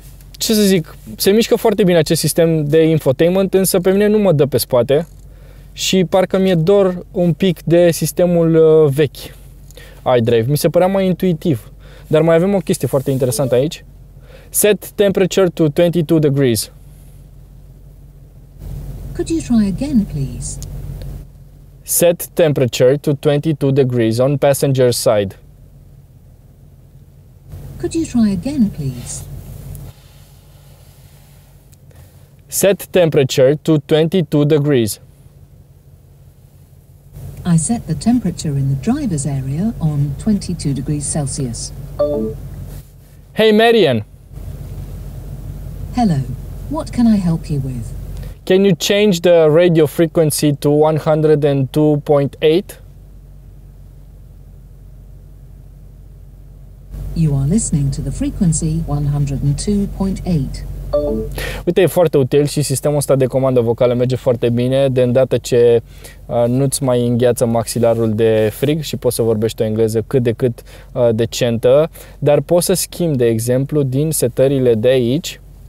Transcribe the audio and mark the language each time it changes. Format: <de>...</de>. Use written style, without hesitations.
<ro>Ce să zic, se mișcă foarte bine acest sistem de infotainment, însă pe mine nu mă dă pe spate și parcă mi-e dor un pic de sistemul vechi iDrive. Mi se părea mai intuitiv, dar mai avem o chestie foarte interesantă aici.</ro> <en>Set temperature to 22 degrees. Could you try again, please? Set temperature to 22 degrees on passenger side. Could you try again, please? Set temperature to 22 degrees. I set the temperature in the driver's area on 22 degrees Celsius. Hey, Marian. Hello. What can I help you with? Can you change the radio frequency to 102.8? You are listening to the frequency 102.8.</en> <ro>Uite, e foarte util și sistemul ăsta de comandă vocală merge foarte bine de îndată ce nu-ți mai îngheață maxilarul de frig și poți să vorbești o engleză cât de cât decentă, dar poți să schimbi, de exemplu, din setările de aici.</ro>